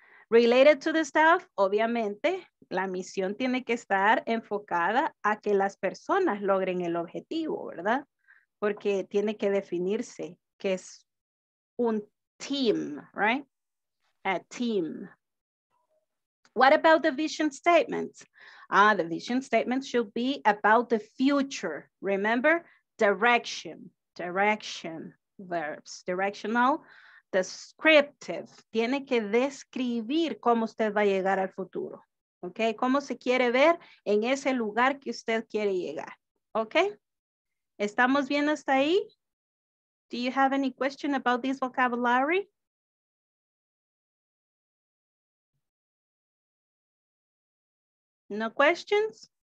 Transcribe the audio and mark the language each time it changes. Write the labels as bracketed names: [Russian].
[English] Related to the staff, [Spanish] obviamente, la misión tiene que estar enfocada a que las personas logren el objetivo, ¿verdad? Porque tiene que definirse que es un team, right? [English] A team. What about the vision statements? Ah, the vision statements should be about the future. Remember, direction, direction. Verbs, directional, descriptive, [Spanish] tiene que describir cómo usted va a llegar al futuro, ¿ok? Cómo se quiere ver en ese lugar que usted quiere llegar, ¿ok? ¿Estamos bien hasta ahí? [English] Do you have any question about this vocabulary? No questions?